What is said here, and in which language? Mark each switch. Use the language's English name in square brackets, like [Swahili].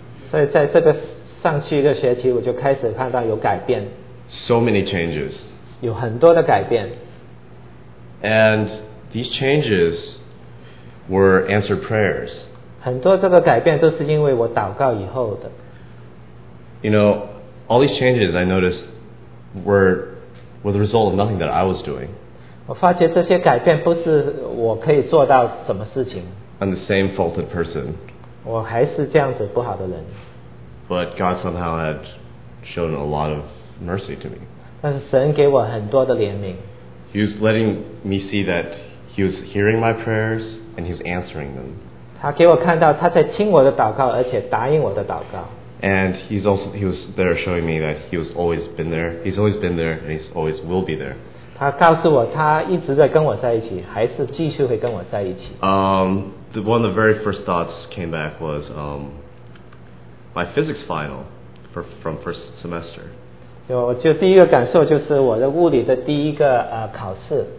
[Chinese] 所以在这个上去一个学期我就开始看到有改变。 [English] So many changes. [Chinese] 有很多的改变。 [English] And these changes were answered prayers. [Chinese] 很多这个改变都是因为我祷告以后的。 [English] You know, all these changes I noticed were the result of nothing that I was doing. [Chinese] 我发觉这些改变不是我可以做到什么事情。 [English] I'm the same faulted person. [Chinese] 我还是这样子不好的人。 [English] But God somehow had shown a lot of mercy to me. [Chinese] 但是神给我很多的怜悯。 [English] He was letting me see that he was hearing my prayers and he was answering them. [Chinese] 他给我看到他在听我的祷告，而且答应我的祷告。 [English] And he's also he was there showing me that he's always been there. He's always been there, and he's always will be there. [Chinese] 他告诉我，他一直在跟我在一起，还是继续会跟我在一起。 [English] One of the very first thoughts came back was my physics final from first semester. [Chinese] 我就第一个感受就是我的物理的第一个考试。